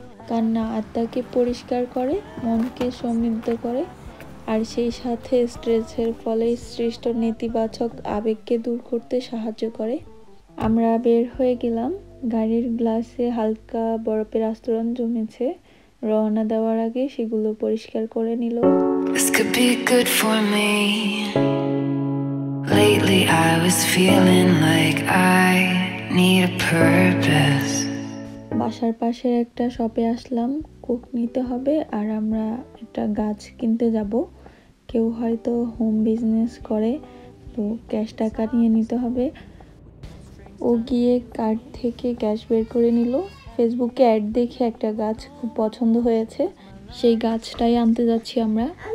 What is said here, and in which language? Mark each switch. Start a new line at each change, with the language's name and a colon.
Bangla: কান্না আত্মাকে পরিষ্কার করে, মনকে সমৃদ্ধ করে, আর সেই সাথে স্ট্রেসের ফলে সৃষ্ট নেতিবাচক আবেগকে দূর করতে সাহায্য করে। আমরা বের হয়ে গেলাম, গাড়ির গ্লাসে হালকা বরফের আস্তরণ জমেছে, রওনা দেওয়ার আগে সেগুলো পরিষ্কার করে নিল।
English: This could be good for me. Lately I was feeling like I need a purpose.
Bangla: বাসার পাশের একটা শপে আসলাম, কোক নিতে হবে আর আমরা একটা গাছ কিনতে যাব। কেউ হয়তো হোম বিজনেস করে তো ক্যাশ টাকা নিয়ে নিতে হবে। ও গিয়ে কার্ড থেকে ক্যাশ বের করে নিল। ফেসবুকে অ্যাড দেখে একটা গাছ খুব পছন্দ হয়েছে, সেই গাছটাই আনতে যাচ্ছি আমরা।